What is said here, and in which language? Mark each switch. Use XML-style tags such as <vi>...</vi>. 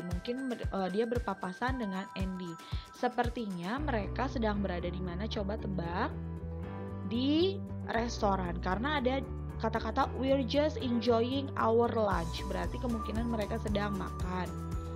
<id>Mungkin dia berpapasan dengan Andy. Sepertinya mereka sedang berada di mana? Coba tebak. Di restoran. Karena ada kata-kata</id> <en>we're just enjoying our lunch.</en> <id>Berarti kemungkinan mereka sedang makan.</id>